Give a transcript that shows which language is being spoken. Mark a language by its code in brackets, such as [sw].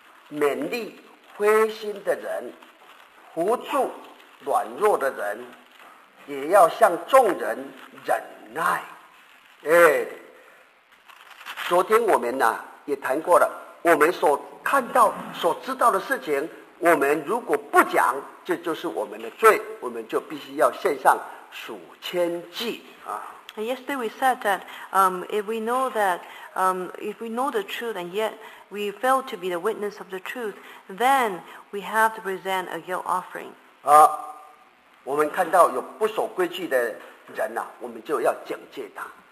[zh] 勉励灰心的人，扶助软弱的人，也要向众人忍耐。昨天我们呢、也谈过了，我们所看到、所知道的事情，我们如果不讲，这就是我们的罪，我们就必须要献上赎愆祭啊。 [en] Yesterday we said that if we know that if we know the truth and yet we fail to be the witness of the truth, then we have to present a guilt offering. [zh] 我们看到有不守规矩的人呐、我们就要警戒他。